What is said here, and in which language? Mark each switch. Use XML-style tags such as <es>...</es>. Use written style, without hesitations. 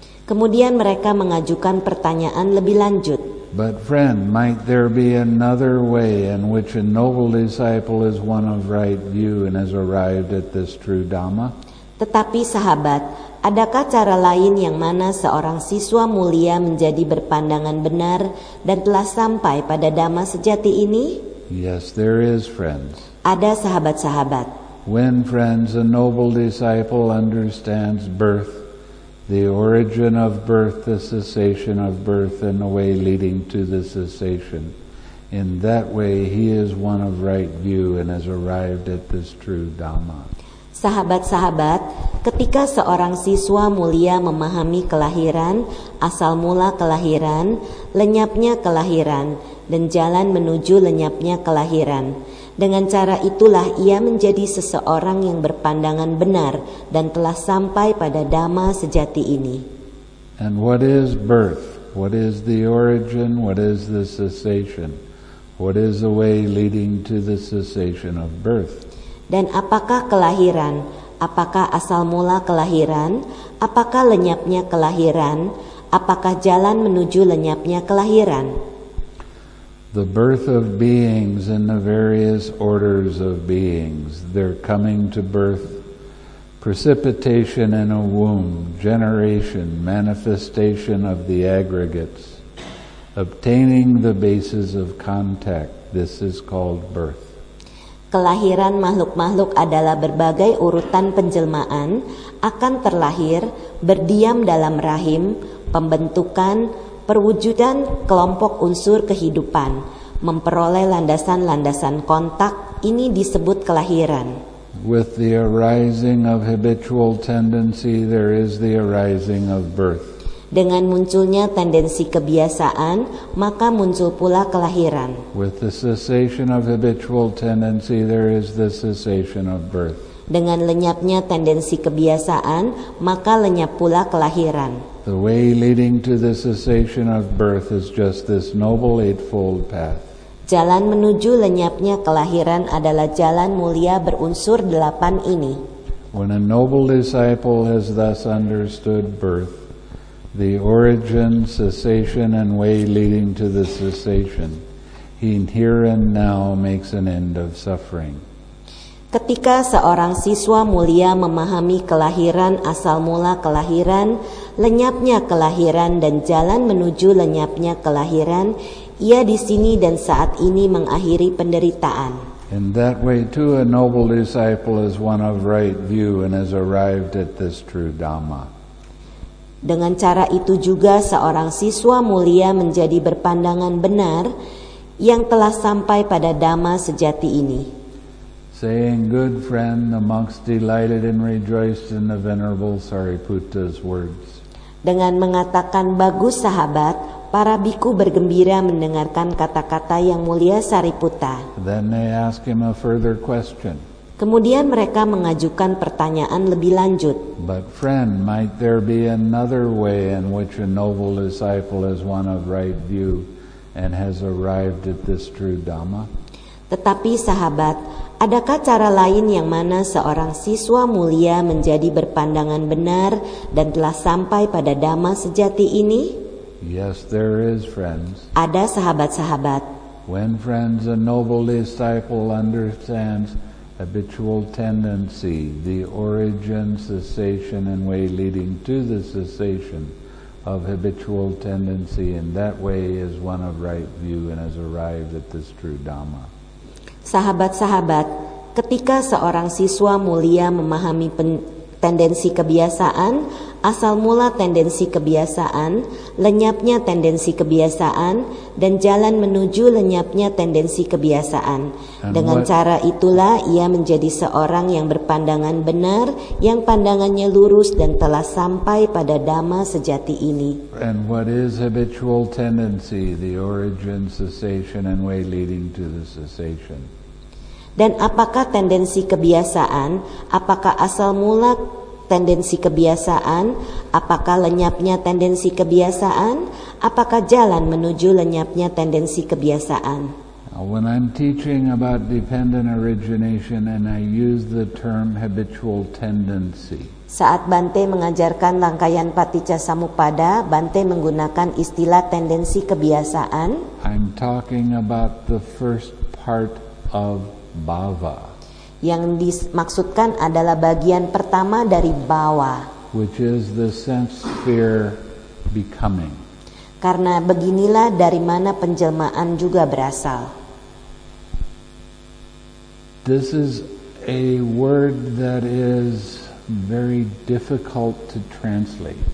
<id>Kemudian mereka mengajukan pertanyaan lebih lanjut.</id> <en>But friend, might there be another way in which a noble disciple is one of right view and has arrived at this true Dhamma?</en> <id>Tetapi sahabat, adakah cara lain yang mana seorang siswa mulia menjadi berpandangan benar dan telah sampai pada Dhamma sejati ini?</id> <en>Yes, there is, friends.</en> <id>Ada sahabat-sahabat.</id> <en>When, friends, a noble disciple understands birth, the origin of birth, the cessation of birth, and the way leading to the cessation, in that way he is one of right view and has arrived at this true Dhamma.</en> <id>Sahabat-sahabat, ketika seorang siswa mulia memahami kelahiran, asal mula kelahiran, lenyapnya kelahiran, dan jalan menuju lenyapnya kelahiran. Dengan cara itulah ia menjadi seseorang yang berpandangan benar dan telah sampai pada Dhamma sejati ini.</id> <en>And what is birth? What is the origin? What is the cessation? What is the way leading to the cessation of birth?</en> <id>Dan apakah kelahiran? Apakah asal mula kelahiran? Apakah lenyapnya kelahiran? Apakah jalan menuju lenyapnya kelahiran?</id> <en>the birth of beings in the various orders of beings, their coming to birth, precipitation in a womb, generation, manifestation of the aggregates, obtaining the basis of contact. This is called birth.</en> <id>Kelahiran makhluk-makhluk adalah berbagai urutan penjelmaan, akan terlahir, berdiam dalam rahim, pembentukan, perwujudan kelompok unsur kehidupan, memperoleh landasan-landasan kontak, ini disebut kelahiran.</id> <en>With the arising of habitual tendency, there is the arising of birth.</en> <id>Dengan munculnya tendensi kebiasaan, maka muncul pula kelahiran.</id> <en>With the cessation of habitual tendency, there is the cessation of birth.</en> <id>Dengan lenyapnya tendensi kebiasaan, maka lenyap pula kelahiran.</id> <en>The way leading to the cessation of birth is just this noble eightfold path.</en> <id>Jalan menuju lenyapnya kelahiran adalah jalan mulia berunsur delapan ini.</id> <en>When a noble disciple has thus understood birth, the origin, cessation, and way leading to the cessation, he here and now makes an end of suffering.</en> <id>Ketika seorang siswa mulia memahami kelahiran, asal mula kelahiran, lenyapnya kelahiran, dan jalan menuju lenyapnya kelahiran, ia di sini dan saat ini mengakhiri penderitaan.</id> <en>In that way too, a noble disciple is one of right view and has arrived at this true Dhamma.</en> <id>Dengan cara itu juga seorang siswa mulia menjadi berpandangan benar yang telah sampai pada Dhamma sejati ini.</id> <en>Saying, good friend, the monks delighted and rejoiced in the venerable Sariputta's words.</en> <id>Dengan mengatakan bagus sahabat, para bhikkhu bergembira mendengarkan kata-kata yang mulia Sariputta.</id> <en>Then they ask him a further question.</en> <id>Kemudian mereka mengajukan pertanyaan lebih lanjut.</id> <en>But friend, might there be another way in which a noble disciple is one of right view and has arrived at this true Dhamma?</en> <id>Tetapi sahabat, adakah cara lain yang mana seorang siswa mulia menjadi berpandangan benar dan telah sampai pada Dhamma sejati ini?</id> <en>Yes, there is, friends.</en> <id>Ada sahabat-sahabat.</id> <en>When friends, a noble disciple understands habitual tendency, the origin, cessation, and way leading to the cessation of habitual tendency, in that way is one of right view and has arrived at this true Dhamma.</en> <id>Sahabat-sahabat, ketika seorang siswa mulia memahami tendensi kebiasaan, asal mula tendensi kebiasaan, lenyapnya tendensi kebiasaan, dan jalan menuju lenyapnya tendensi kebiasaan. Dengan cara itulah ia menjadi seorang yang berpandangan benar, yang pandangannya lurus dan telah sampai pada Dhamma sejati ini.</id> <en>And what is habitual tendency, the origin, cessation, and way leading to the cessation?</en> <id>Dan apakah tendensi kebiasaan, apakah asal mula tendensi kebiasaan, apakah lenyapnya tendensi kebiasaan, apakah jalan menuju lenyapnya tendensi kebiasaan?</id> <en>When I'm teaching about dependent origination and I use the term habitual tendency.</en> <id>Saat Bante mengajarkan rangkaian Paticcasamuppada, Bante menggunakan istilah tendensi kebiasaan.</id> <en>I'm talking about the first part of bhava.</en> <id>Yang dimaksudkan adalah bagian pertama dari bhava,</id> <en>which is the sense sphere becoming.</en> <id>Karena beginilah dari mana penjelmaan juga berasal.</id> <en>This is a word that is very difficult to translate.</en>